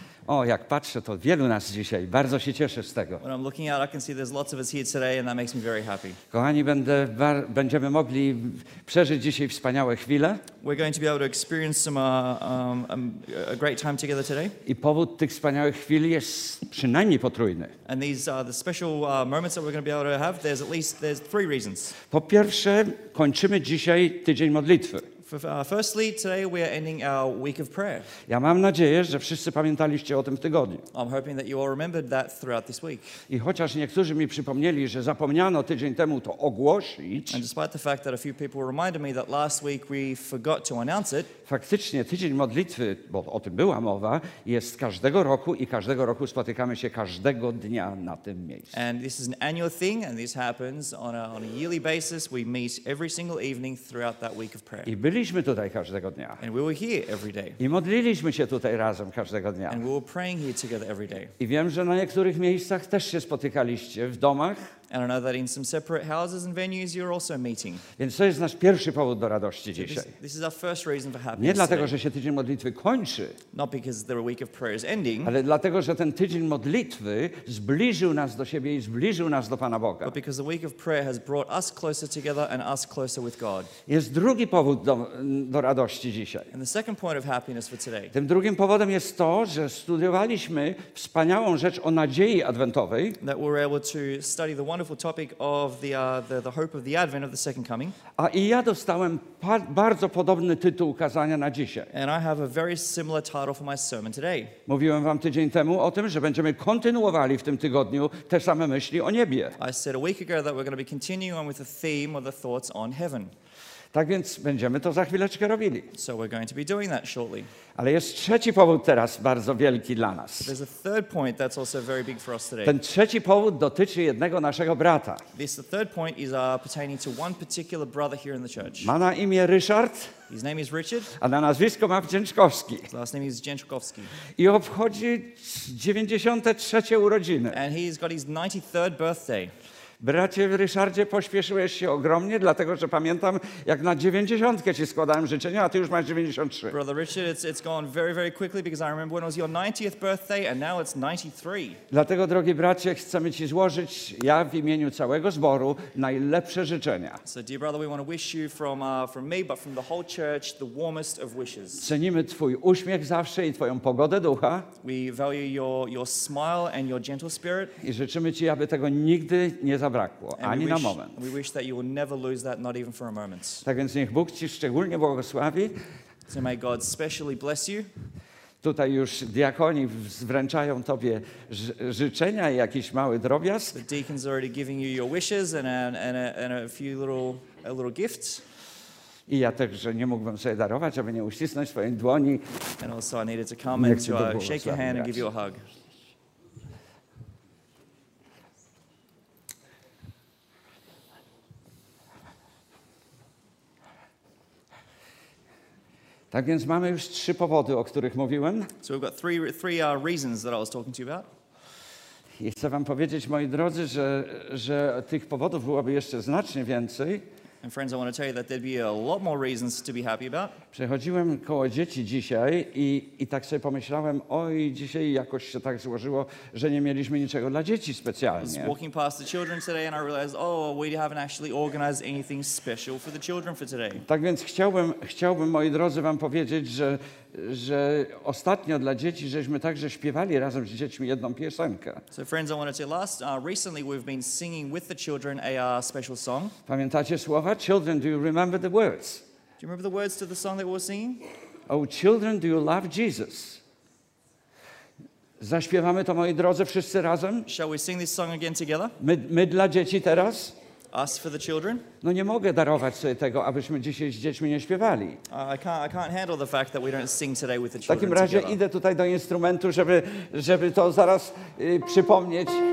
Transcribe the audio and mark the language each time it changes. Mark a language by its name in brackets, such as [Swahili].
[Polish] O, jak patrzę, to wielu nas dzisiaj. Bardzo się cieszę z tego. [English] When I'm looking out, I can see there's lots of us here today, and that makes me very happy. [Polish] Kochani, będziemy mogli przeżyć dzisiaj wspaniałe chwile. [English] We're going to be able to experience some a great time together today. [Polish] I powód tych wspaniałych chwil jest przynajmniej potrójny. [English] And these are the special moments that we're going to be able to have. There's three reasons. [Polish] Po pierwsze, kończymy dzisiaj tydzień modlitwy. [English] Firstly, today we are ending our week of prayer. [Polish] Ja mam nadzieję, że wszyscy pamiętaliście o tym w tygodniu. [English] I'm hoping that you all remembered that throughout this week. [Polish] I chociaż niektórzy mi przypomnieli, że zapomniano tydzień temu to ogłosić. [English] And despite the fact that a few people reminded me that last week we forgot to announce it. [Polish] Faktycznie tydzień modlitwy, bo o tym była mowa, jest każdego roku i każdego roku spotykamy się każdego dnia na tym miejscu. [English] And this is an annual thing, and this happens on a yearly basis. We meet every single evening throughout that week of prayer. [Polish] Byliśmy tutaj każdego dnia. [English] And we were here every day. [Polish] I modliliśmy się tutaj razem każdego dnia. [English] And we were praying here together every day. [Polish] I wiem, że na niektórych miejscach też się spotykaliście w domach. [English] And I know that in some separate houses and venues you're also meeting. [Polish] Więc to jest nasz pierwszy powód do radości dzisiaj. [English] This is our first reason for happiness. [Polish] Nie dlatego, że się tydzień modlitwy kończy. [English] Not because the week of prayer is ending. [Polish] Ale dlatego, że ten tydzień modlitwy zbliżył nas do siebie i zbliżył nas do Pana Boga. [English] But because the week of prayer has brought us closer together and us closer with God. [Polish] Jest drugi powód do radości dzisiaj. [English] And the second point of happiness for today. [Polish] Tym drugim powodem jest to, że studiowaliśmy wspaniałą rzecz o nadziei adwentowej. [English] That we're able to study the wonderful topic of the hope of the advent of the second coming. [Polish] A i ja dostałem bardzo podobny tytuł kazania na dzisiaj. [English] And I have a very similar title for my sermon today. [Polish] Mówiłem wam tydzień temu o tym, że będziemy kontynuowali w tym tygodniu te same myśli o niebie. [English] I said a week ago that we're going to be continuing with the theme of the thoughts on heaven. [Polish] Tak więc będziemy to za chwileczkę robili. [English] So we're going to be doing that shortly. [Polish] Ale jest trzeci powód teraz bardzo wielki dla nas. [English] There's a third point that's also very big for us today. [Polish] Ten trzeci powód dotyczy jednego naszego brata. [English] This the third point is pertaining to one particular brother here in the church. [Polish] Ma na imię Ryszard. [English] His name is Richard. [Polish] A na nazwisko ma Wdzięczkowski. [English] His last name is Dzięczkowski. [Polish] I obchodzi 93. urodziny. [English] And he's got his 93rd birthday. [Polish] Bracie Ryszardzie, pośpieszyłeś się ogromnie, dlatego że pamiętam, jak na 90 ci składałem życzenia, a ty już masz 93. [English] Brother Richard, it's gone very, very quickly because I remember when it was your 90th birthday and now it's 93. [Polish] Dlatego, drogi bracie, chcemy ci złożyć, ja w imieniu całego zboru, najlepsze życzenia. [English] So, dear brother, we want to wish you from me, but from the whole church, the warmest of wishes. [Polish] Cenimy twój uśmiech zawsze i twoją pogodę ducha. [English] We value your smile and your gentle spirit. [Polish] I życzymy ci, aby tego nigdy nie zabrakło, ani na moment. [English] We wish that you will never lose that, not even for a moment. [Polish] Tak więc niech Bóg ci szczególnie błogosławi. [English] So may God specially bless you. [Polish] Tutaj już diakoni wręczają tobie życzenia i jakiś mały drobiazg. [English] The deacons are already giving you your wishes and a few little gifts. [Polish] I ja także nie mógłbym sobie darować, aby nie uścisnąć swojej dłoni. [English] And also I needed to come and to shake your hand and give you a hug. [Polish] Tak więc mamy już trzy powody, o których mówiłem. [English] So we've got three reasons that I was talking to you about. [Polish] I chcę wam powiedzieć, moi drodzy, że tych powodów byłoby jeszcze znacznie więcej. [English] And friends, I want to tell you that there'd be a lot more reasons to be happy about. [Polish] Przechodziłem koło dzieci dzisiaj i tak sobie pomyślałem, oj, dzisiaj jakoś się tak złożyło, że nie mieliśmy niczego dla dzieci specjalnie. [English] I was walking past the children today and I realized, oh, we haven't actually organized anything special for the children for today. [Polish] Tak więc chciałbym, moi drodzy, wam powiedzieć, że ostatnio dla dzieci żeśmy także śpiewali razem z dziećmi jedną piosenkę. [English] So friends, I wanted to last. Recently we've been singing with the children a special song. [Polish] Pamiętacie słowa? [English] Children, do you remember the words? Do you remember the words to the song that we were singing? Oh, children, do you love Jesus? [Polish] Zaśpiewamy to, moi drodzy, wszyscy razem? [English] Shall we sing this song again together? [Polish] My dla dzieci teraz? [English] Us for the children? [Polish] No nie mogę darować sobie tego, abyśmy dzisiaj z dziećmi nie śpiewali. [English] I can't handle the fact that we don't sing today with the children. [Polish] W takim razie [English] together. [Polish] Idę tutaj do instrumentu, żeby to zaraz przypomnieć.